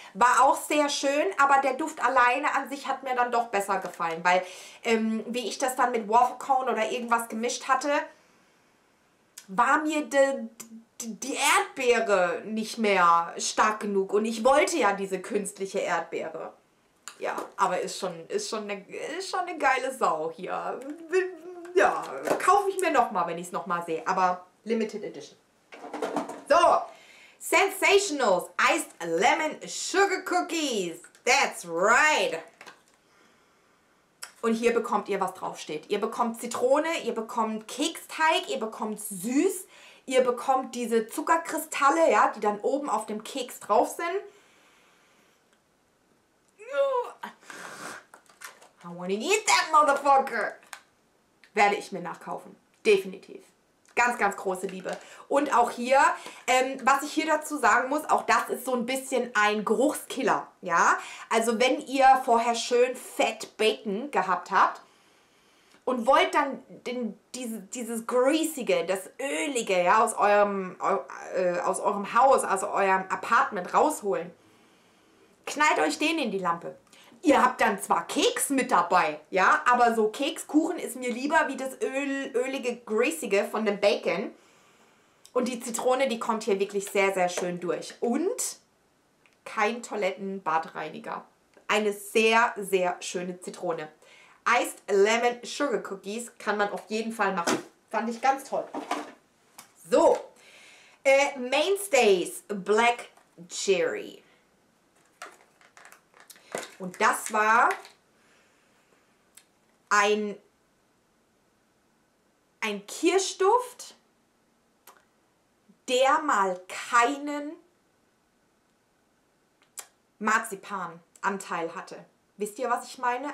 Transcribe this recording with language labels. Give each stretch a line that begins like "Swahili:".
German: War auch sehr schön, aber der Duft alleine an sich hat mir dann doch besser gefallen, weil wie ich das dann mit Waffle Cone oder irgendwas gemischt hatte, war mir die Erdbeere nicht mehr stark genug und ich wollte ja diese künstliche Erdbeere. Ja, aber ist schon eine geile Sau hier. Ja, kaufe ich mir nochmal, wenn ich es nochmal sehe. Aber Limited Edition. So, Sensationals Iced Lemon Sugar Cookies.
English: That's right.
German: Und hier bekommt ihr, was draufsteht. Ihr bekommt Zitrone, ihr bekommt Keksteig, ihr bekommt Süß. Ihr bekommt diese Zuckerkristalle, ja, die dann oben auf dem Keks drauf sind.
English: I wanna eat that motherfucker.
German: Werde ich mir nachkaufen. Definitiv. Ganz, ganz große Liebe. Und auch hier, was ich hier dazu sagen muss, auch das ist so ein bisschen ein Geruchskiller. Ja, also wenn ihr vorher schön Fett Bacon gehabt habt und wollt dann dieses Greasige, das Ölige, ja, aus eurem Haus, also eurem Apartment rausholen, knallt euch den in die Lampe. Ihr habt dann zwar Keks mit dabei, ja, aber so Kekskuchen ist mir lieber wie das ölige, greasige von dem Bacon. Und die Zitrone, die kommt hier wirklich sehr, sehr schön durch. Und kein Toilettenbadreiniger. Eine sehr, sehr schöne Zitrone. Iced Lemon Sugar Cookies kann man auf jeden Fall machen. Fand ich ganz toll. So, Mainstays Black Cherry. Und das war ein Kirschduft, der mal keinen Marzipananteil hatte. Wisst ihr, was ich meine?